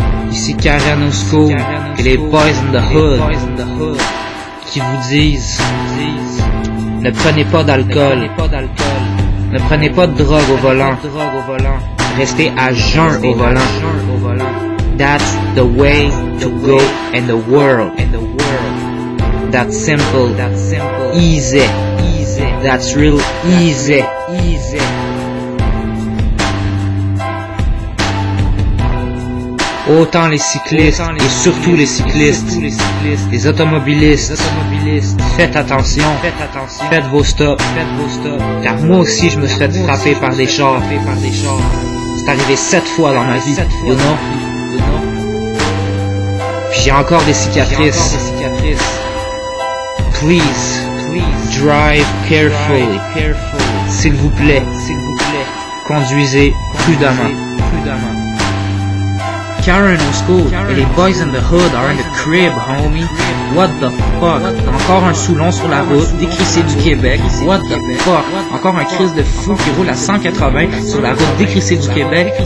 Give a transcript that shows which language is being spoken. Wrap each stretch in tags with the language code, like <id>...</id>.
<fr>Ici Karen Osco et les Boys in the Hood qui vous disent: ne prenez pas d'alcool, ne prenez pas de drogue au volant, restez à jeun au volant.</fr> <en>That's the way to go in the world. That's simple, easy, that's real easy.</en> <fr>Autant les cyclistes, et surtout les cyclistes, les automobilistes, faites attention, faites vos stops, car moi aussi je me suis fait frapper par des chars. C'est arrivé 7 fois dans ma vie,</fr> <en>you know?</en> <fr>J'ai encore des cicatrices.</fr> <en>Please, drive carefully.</en> <fr>S'il vous plaît, conduisez prudemment.</fr> <en>Karen au school, et les boys in the hood are in the crib, homie. What the fuck?</en> <fr>Encore un Soulon sur la route, décrissé du Québec.</fr> <en>What the fuck?</en> <fr>Encore un Chris de fou qui roule à 180 sur la route décrissée du Québec.</fr>